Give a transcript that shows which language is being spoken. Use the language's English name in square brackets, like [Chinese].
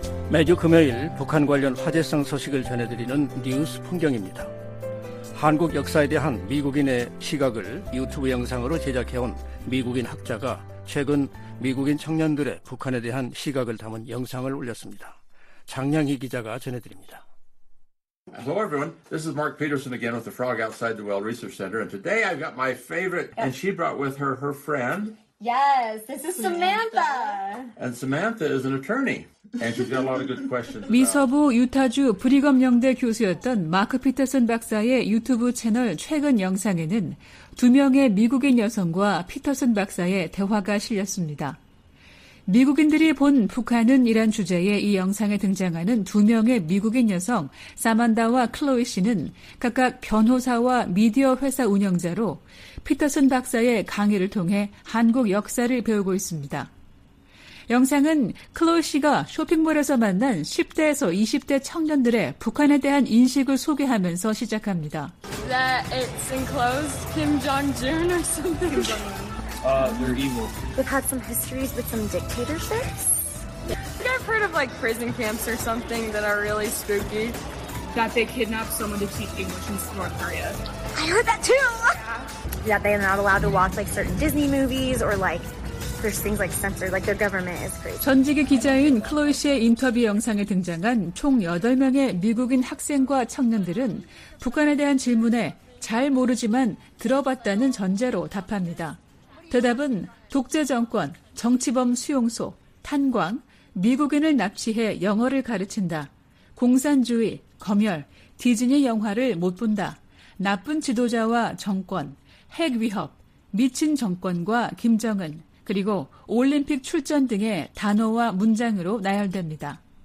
[Korean] 매주 금요일 북한 관련 화제성 소식을 전해드리는 뉴스 풍경입니다. 한국 역사에 대한 미국인의 시각을 유튜브 영상으로 제작해온 미국인 학자가 최근 미국인 청년들의 북한에 대한 시각을 담은 영상을 올렸습니다. 장량희 기자가 전해드립니다. [English] Hello everyone. This is Mark Peterson again with the Frog Outside the Well Research Center and today I've got my favorite and she brought with her her friend Yes, this is Samantha. And Samantha is an attorney. And she's got a lot of good questions. [Korean] 미서부 유타주 브리검 영대 교수였던 마크 피터슨 박사의 유튜브 채널 최근 영상에는 두 명의 미국인 여성과 피터슨 박사의 대화가 실렸습니다. 미국인들이 본 북한은 이란 주제의 이 영상에 등장하는 두 명의 미국인 여성 사만다와 클로이 씨는 각각 변호사와 미디어 회사 운영자로 피터슨 박사의 강의를 통해 한국 역사를 배우고 있습니다. 영상은 클로이 씨가 쇼핑몰에서 만난 10대에서 20대 청년들의 북한에 대한 인식을 소개하면서 시작합니다. That it's enclosed Kim Jong-un or something. They're evil. We've had some histories with some dictatorships. I think I've heard of like prison camps or something that are really spooky. That they kidnap someone to teach English in North Korea. I heard that too! Yeah, they're not allowed to watch like certain Disney movies or like there's things like censored, like their government is crazy. 전직의 기자인 클로이 씨의 인터뷰 영상에 등장한 총 8명의 미국인 학생과 청년들은 북한에 대한 질문에 잘 모르지만 들어봤다는 전제로 답합니다. 대답은 독재정권, 정치범 수용소, 탄광, 미국인을 납치해 영어를 가르친다, 공산주의, 검열, 디즈니 영화를 못 본다, 나쁜 지도자와 정권, 핵 위협, 미친 정권과 김정은, 그리고 올림픽 출전 등의 단어와 문장으로 나열됩니다.